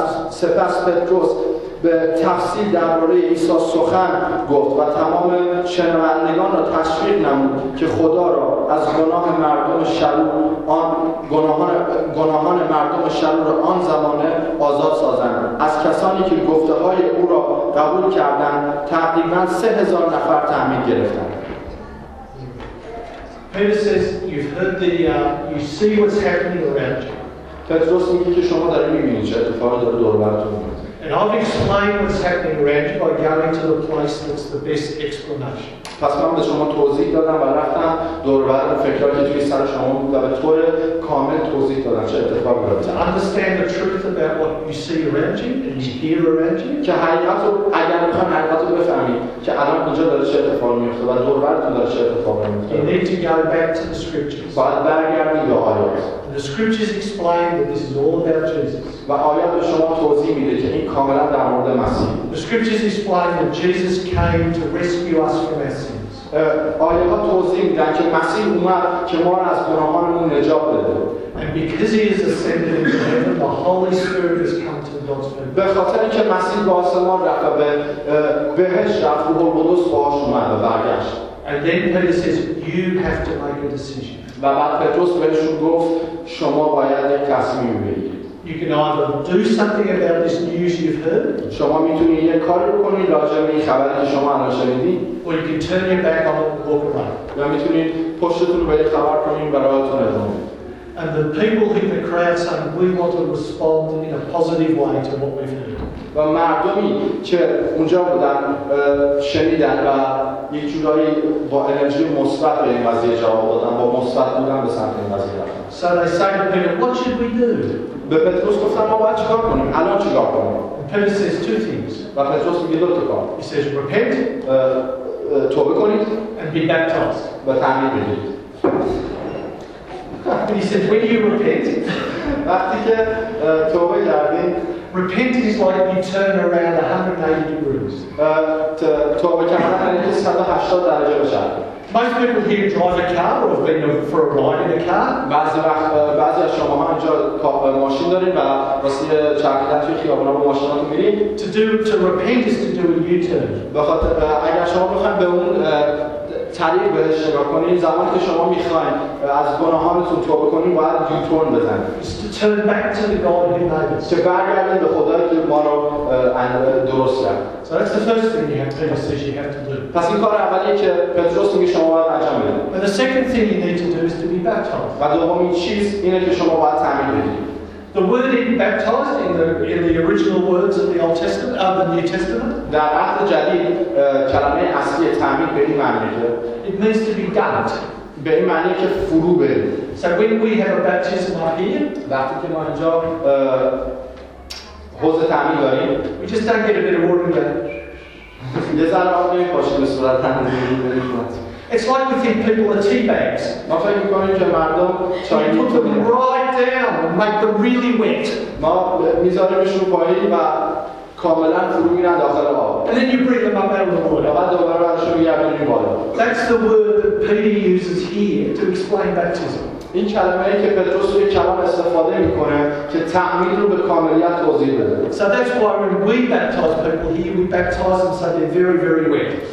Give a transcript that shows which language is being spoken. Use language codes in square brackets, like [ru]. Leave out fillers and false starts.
[fa] سپس پتروس به تفصیل درباره عیسی سخن گفت و تمام شنوندگان را تشویق نمود که خدا را از گناه مردم شلول آن گناهان مردم شلول آن زمانه آزاد سازند از کسانی که گفته های او را قبول کردند تقریبا 3000 نفر تعمید گرفتند. [en] Peter says, you've heard the, you see what's happening around you. [fa] پتروس میگه که شما داری میبینید چه اتفاقی داره دور براتون میفته. [en] And I've explained what's happening around you by going to the place that's the best explanation. [fa] پس من به شما توضیح دادم و رفتم دور بر فکر که توی سر شما بود و به طور کامل توضیح دادم چه اتفاق برای [en] To understand the truth about what you see around you and you hear around you. [fa] که حقیقت رو اگر بخواهم حقیقت رو بفهمید که الان اینجا داره چه اتفاق میفته و دور بر تو داره چه اتفاق میفته. [en] You need to go back to the scriptures. [fa] باید برگردید به آیات. [en] The scriptures explain that this is all about Jesus. [fa] و آیات به شما توضیح میده که این کاملا در مورد مسیح. [en] The scriptures explain that Jesus came to rescue us from our sins. [fa] آیات توضیح میده که مسیح اومد که ما را از گناهانمون نجات بده. [en] And because he has ascended into heaven, the Holy Spirit has come to God's people. [fa] به خاطر اینکه مسیح با آسمان رفت و به بهش رفت و روح القدس باهاش اومد و برگشت. [en] And then Peter says, you have to make a decision. [fa] و بعد پتروس بهشون گفت شما باید یک تصمیم بگیرید. [en] You can either do something about this news you've heard. [fa] شما میتونید یک کاری کنید راجع به این خبری که شما الان شنیدید. [en] Or you can turn your back on it and walk away. [fa] یا میتونید پشتتون رو به این خبر کنید و راهتون رو ادامه بدید. [en] And the people in the crowd said, "We want to respond in a positive way to what we've heard." [fa] و مردمی که اونجا بودن شنیدن و یه جورایی با انرژی مثبت به این قضیه جواب دادن، با مثبت بودن به سمت این قضیه رفتن. [en] So they say to Peter, "What should we do?" [fa] به پتروس گفتن ما باید چیکار کنیم؟ الان چیکار کنیم؟ [en] Peter says two things. [fa] و پتروس میگه دو تا کار. [en] He says, "Repent." [fa] توبه کنید. [en] And be baptized. [fa] و تعمید بگیرید. [en] He said, "When you repent." [fa] وقتی که توبه کردین. [en] Repent is like you turn around 180 degrees. Most people here drive a car or have been for a ride in a car. [fa] بعضی از شما اینجا ماشین دارید و واسه چرخیدن توی خیابونا با ماشیناتون میرید. [en] To repent is to do a U-turn. [fa] اگر شما بخواید به اون طریق بهش نگاه کنید، زمانی که شما میخواید از گناهانتون توبه کنید باید U-turn بزنید. [en] Turn back to the God who made us. To [fa] برگردیم به خدا که ما رو درست کرد. [en] So that's the first thing you have to do. [fa] پس این کار اولیه که پتروس میگه شما باید انجام بدید. [en] But the second thing you need to do is to be baptized. [fa] و دومین چیز اینه که شما باید تعمید بدید. [en] The word in baptized in the original words of the Old Testament of the New Testament. [fa] در عهد جدید کلمه اصلی تعمید به این معنی که. [en] It means to be dunked. [fa] به این معنی که فرو برید. [en] So when we have a baptism up here, [fa] وقتی که ما اینجا حوض تعمید داریم, [en] we just don't get a bit of water and go. [fa] یه ذره آب نمی‌پاشیم به صورت تعمید می‌کنیم. [en] It's like we think people are tea bags. [fa] ما فکر می‌کنیم که مردم چای می‌خورن. [en] Put them right down, make them really wet. [fa] ما می‌ذاریمشون پایین و کاملا فرو میرن داخل آب. [en] And then you bring them up out of the water. [fa] و بعد دوباره برشون می‌گردونی بالا. [en] That's the word that Peter uses here to explain baptism. [fa] این کلمه ای که پتروس روی کلام استفاده میکنه که تعمید رو به کاملیت توضیح بده. [en] So that's why when we baptize people here, we baptize them so they're very, very wet.